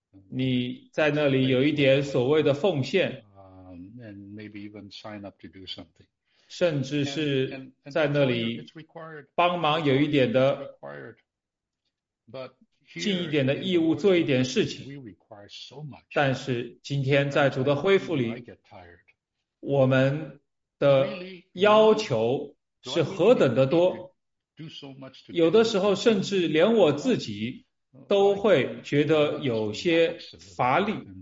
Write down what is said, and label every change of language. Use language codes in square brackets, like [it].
[zh] 你在那里有一点所谓的奉献。 [en] And maybe even sign up to do something. [zh] 甚至是在那里帮忙有一点的尽一点的义务，做一点事情。但是今天在主的恢复里，我们的要求是何等的多，有的时候甚至连我自己都会觉得有些乏力。